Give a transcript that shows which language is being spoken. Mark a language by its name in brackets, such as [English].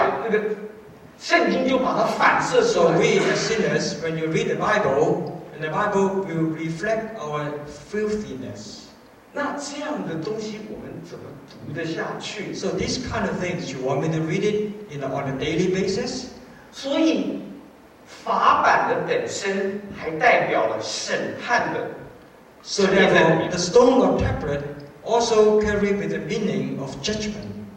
[Chinese] 我们罪人一读圣经，圣经就表明我们肮脏的思想，那个圣经就把它反射出来。 [English] So we as sinners, when you read the Bible, and the Bible will reflect our filthiness. [Chinese] 那这样的东西我们怎么读得下去? [English] So this kind of things, you want me to read it on a daily basis? [Chinese] 所以法版的本身还代表了审判的. [English] So therefore, the stone of tablet also carries with the meaning of judgment.